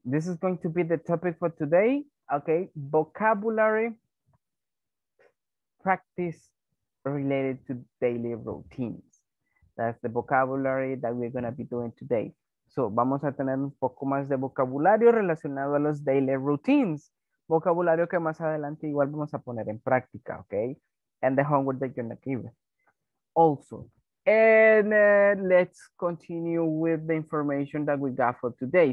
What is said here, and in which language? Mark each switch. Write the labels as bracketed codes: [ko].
[en] This is going to be the topic for today. Okay, vocabulary practice related to daily routines. That's the vocabulary that we're going to be doing today. [es] So, vamos a tener un poco más de vocabulario relacionado a los daily routines. Vocabulario que más adelante igual vamos a poner en práctica, okay? [en] And the homework that you're going to give. Also, and let's continue with the information that we got for today.